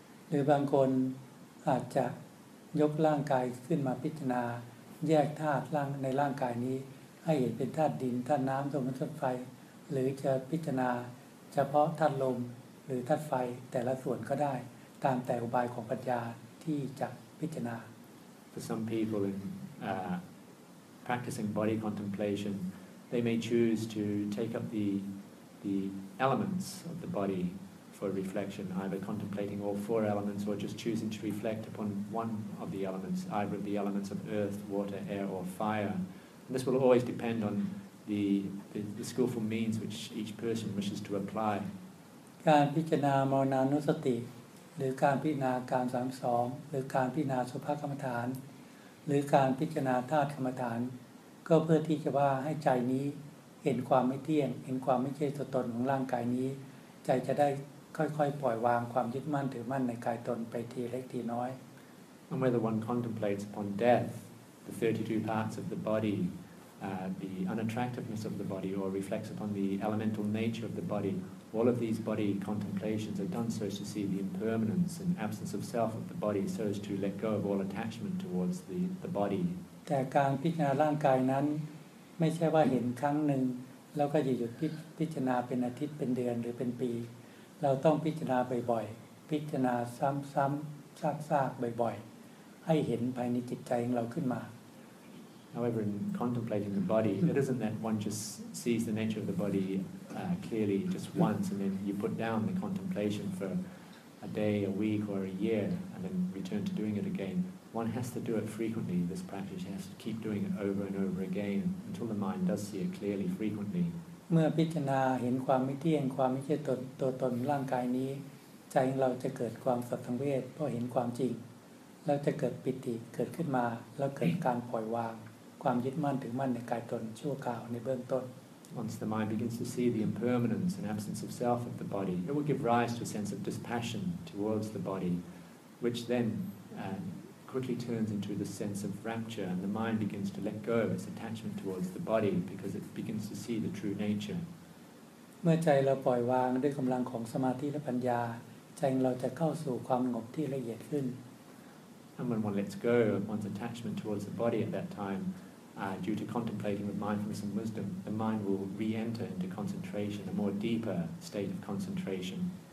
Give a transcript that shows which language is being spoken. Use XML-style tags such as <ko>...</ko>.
<th>หรือบางคนอาจจะยกร่างกายขึ้นมาพิจารณาแยกธาตุร่างในร่างกายนี้ให้เห็นเป็นธาตุดินธาตุน้ำธาตุลมธาตุไฟหรือจะพิจารณาเฉพาะธาตุลมหรือธาตุไฟแต่ละส่วนก็ได้ตามแต่อุบายของปัญญาที่จะพิจารณา</th> <en>For some people in practicing body contemplation they may choose to take up the elements of the bodyor reflection, either contemplating all four elements or just choosing to reflect upon one of the elements, either of the elements of earth, water, air, or fire. And this will always depend on the skillful means which each person wishes to apply.</en> <th>การพิจารณามรณานุสติหรือการพิจารณาการ32หรือการพิจารณาสุภกรรมฐานหรือการพิจารณาธาตุกรรมฐานก็เพื่อที่จะว่าให้ใจนี้เห็นความไม่เที่ยงเห็นความไม่ใช่ตัวตนของร่างกายนี้ใจจะได้ค่อยๆปล่อยวางความยึดมั่นถือมั่นในกายตนไปทีเล็กทีน้อย</th> <en>And whether one contemplates upon death, the 32 parts of the body, the unattractiveness of the body, or reflects upon the elemental nature of the body, all of these body contemplations are done so as to see the impermanence and absence of self of the body, so as to let go of all attachment towards the body.</en> <th>แต่การพิจารณาร่างกายนั้นไม่ใช่ว่าเห็นครั้งหนึ่งแล้วก็หยุดพิจารณาเป็นอาทิตย์เป็นเดือนหรือเป็นปีเราต้องพิจารณาบ่อยๆพิจารณาซ้ำๆซากๆบ่อยๆให้เห็นภายในจิตใจของเราขึ้นมา</th> <en>However, in contemplating the body, it isn't that one just sees the nature of the body clearly just once and then you put down the contemplation for a day, a week, or a year and then return to doing it again. One has to do it frequently, this practice has to keep doing it over and over again until the mind does see it clearly frequently.</en> <th>เมื่อพิจารณาเห็นความไม่เที่ยงความไม่ใช่ตัวตนร่างกายนี้ใจเราจะเกิดความสัตย์สังเวชเพราะเห็นความจริงแล้วจะเกิดปิติเกิดขึ้นมาแล้วเกิดการปล่อยวางความยึดมั่นถือมั่นในกายตนชั่วคราวในเบื้องต้น</th> <en>Once the mind begins to see the impermanence and absence of self of the body it will give rise to a sense of dispassion towards the body which then quickly turns into the sense of rapture and the mind begins to let go of its attachment towards the body because it begins to see the true nature</en> <th>เมื่อใจเราปล่อยวางด้วยกำลังของสมาธิและปัญญาใจเราจะเข้าสู่ความสงบที่ละเอียดขึ้น</th> <en>And when one lets go of one's attachment towards the body at that time, due to contemplating with mindfulness and wisdom, the mind will re-enter into concentration, a more deeper state of concentration.</en>